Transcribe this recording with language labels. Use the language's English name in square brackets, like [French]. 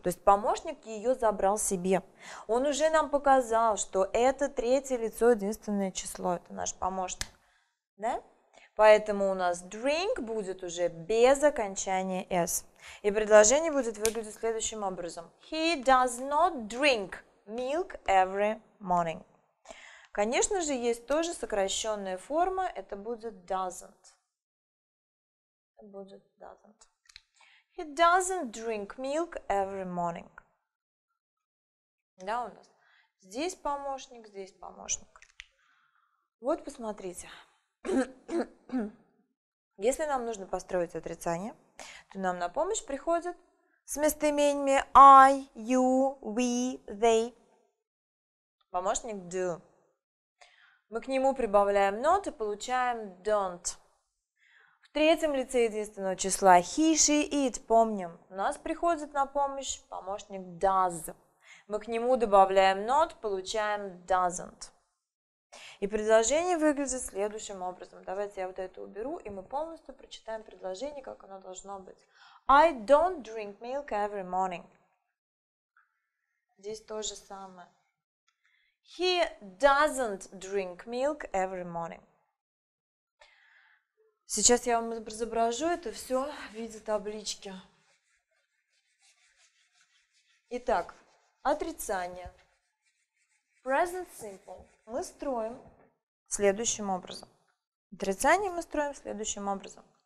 [Russian] То есть помощник ее забрал себе. Он уже нам показал, что это третье лицо, единственное число. Это наш помощник. Да? Поэтому у нас drink будет уже без окончания s. И предложение будет выглядеть следующим образом. [English] He does not drink milk every morning. [Russian] Конечно же, есть тоже сокращенная форма. Это будет doesn't. Будет doesn't. [English] He doesn't drink milk every morning. [Russian] Да, у нас здесь помощник, здесь помощник. Вот, посмотрите. Если нам нужно построить отрицание, то нам на помощь приходят с местоимениями I, you, we, they. Помощник do. Мы к нему прибавляем not и получаем don't. В третьем лице единственного числа he, she, it, помним, у нас приходит на помощь помощник does. Мы к нему добавляем not, получаем doesn't. И предложение выглядит следующим образом. Давайте я вот это уберу, и мы полностью прочитаем предложение, как оно должно быть. [English] I don't drink milk every morning. [Russian] Здесь то же самое. [English] He doesn't drink milk every morning. [Russian] Сейчас я вам изображу это все в виде таблички. Итак, отрицание. Present simple. Мы строим следующим образом. Отрицание мы строим следующим образом.